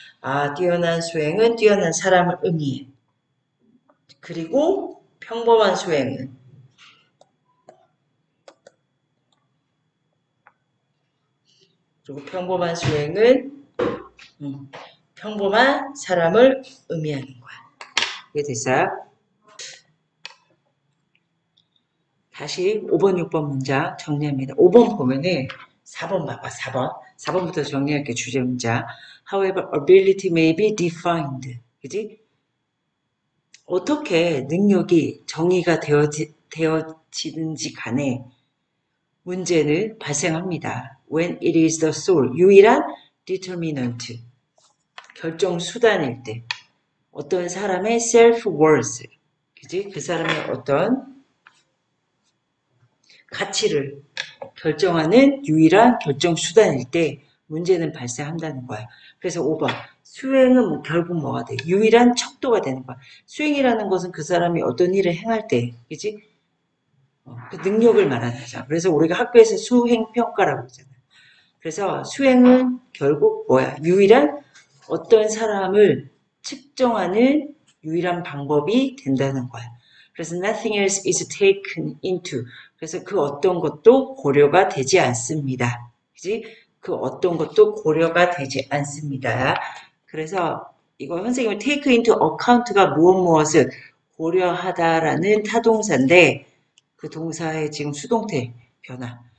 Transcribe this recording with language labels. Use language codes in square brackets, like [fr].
[ko] 아, 뛰어난 수행은 뛰어난 사람을 의미해. 그리고 평범한 수행은 그리고 평범한 수행은 평범한 사람을 의미하는 거야. 이해 됐어요? 다시 5번, 6번 문장 정리합니다. 5번 보면은 4번 봐봐, 4번. 4번부터 정리할게, 주제 문장. [en] However, ability may be defined. [ko] 그지? 어떻게 능력이 정의가 되어지는지 간에 문제는 발생합니다. [en] When it is the sole, [ko] 유일한 [en] determinant, [ko] 결정 수단일 때, 어떤 사람의 [en] self worth, [ko] 그지? 그 사람의 어떤 가치를 결정하는 유일한 결정 수단일 때, 문제는 발생한다는 거야. 그래서 5번, 수행은 결국 뭐가 돼? 유일한 척도가 되는 거야. 수행이라는 것은 그 사람이 어떤 일을 행할 때, 그지? 그 능력을 말하는 거죠. 그래서 우리가 학교에서 수행평가라고 그러잖아요. 그래서 수행은 결국 뭐야? 유일한 어떤 사람을 측정하는 유일한 방법이 된다는 거야. 그래서 [en] nothing else is taken into. [ko] 그래서 그 어떤 것도 고려가 되지 않습니다. 그지? 그 어떤 것도 고려가 되지 않습니다. 그래서 이거 선생님은 take into account가 무엇무엇을 고려하다라는 타동사인데 그 동사의 지금 수동태 변화.